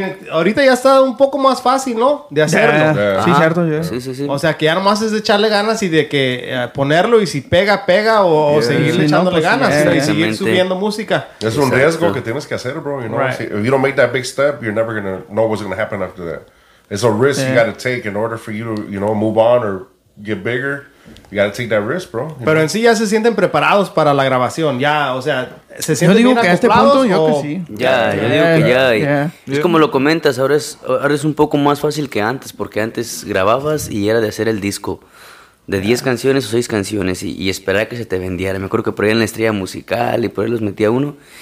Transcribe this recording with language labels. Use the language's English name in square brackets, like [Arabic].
[Spanish] Ahorita ya está un poco más fácil, ¿no? De hacerlo. Sí, cierto. Sí. O sea, que ya nomás es de echarle ganas y de que ponerlo y si pega, o seguir echándole ganas y seguir subiendo música. Es un riesgo que tienes que hacer, bro. [English] You know? Right. If you don't make that big step, you're never going to know what's going to happen after that. It's a risk you got to take in order for you to, you know, move on or get bigger. You gotta take that risk, bro. [Spanish] Pero en sí ya se sienten preparados para la grabación. Ya, o sea, se sienten bien acoplados. Yo digo que a este punto, yo que sí. Ya, yo digo que ya. Es como lo comentas, ahora es un poco más fácil que antes, porque antes grababas y era de hacer el disco de 10 canciones o 6 canciones y esperar a que se te vendiera. Me acuerdo que por ahí en la estrella musical y por ahí los metía uno.